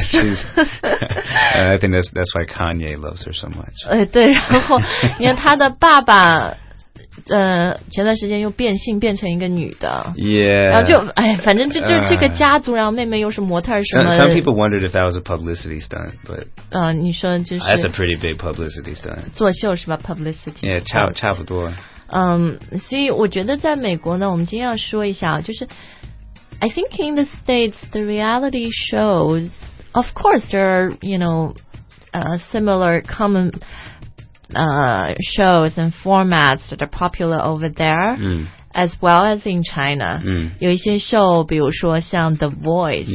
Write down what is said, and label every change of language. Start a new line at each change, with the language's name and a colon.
English: She's, I think that's why Kanye loves her so much.
Chinese: 对，然后你看他的爸爸前段时间又变性变成一个女的
English: yeah
Chinese: 然后就反正就这个家族然后妹妹又是模特什么
English: some people wondered if that was a publicity stunt but
Chinese: 你说就是
English: that's a pretty big publicity stunt
Chinese: 作秀是吧 publicity yeah 差不多所以我觉得在美国呢我们今天要说一下就是
English: I think in the States the reality shows of course there are you know similar commonshows and formats that are popular over there、as well as in China、
Chinese: 有一些 show 比如说像
English: The Voice